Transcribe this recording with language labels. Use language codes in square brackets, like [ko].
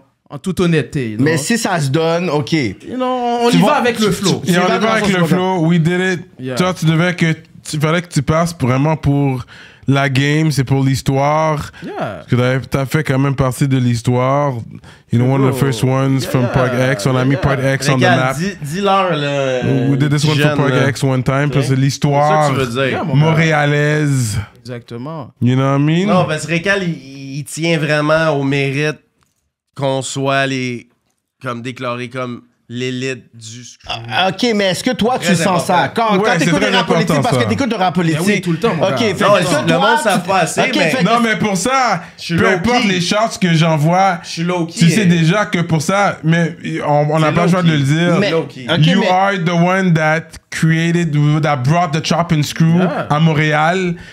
[fr] En toute honnêteté. Mais si ça se donne, OK. On y va avec le flow. On y va avec le flow. [en] We did it. [fr] Toi, tu devais que... Il fallait que tu passes vraiment pour la game, c'est pour l'histoire. [en] Yeah. [fr] Parce que t'as fait quand même partie de l'histoire. [en] You know, one of the first ones from Park X. [fr] On a mis Park X [en] on the map. [fr] Dis-leur, là. [en] We did this one for Park X one time. [fr] Parce que c'est l'histoire montréalaise. Exactement. [en] You know what I mean? [fr] Non, parce que Récal, il tient vraiment au mérite qu'on soit déclarés comme l'élite du... OK, mais est-ce que toi, tu sens ça? Quand t'écoutes de rap politique, parce que t'écoutes de rap politique... Oui, tout le temps, mon gars. OK, le monde s'en fait assez, mais... Non, mais pour ça, peu importe les charts que j'envoie, tu sais déjà que pour ça, mais on n'a pas le choix de le dire. [en] You are the one that created, that brought the chop and screw [fr] à Montréal.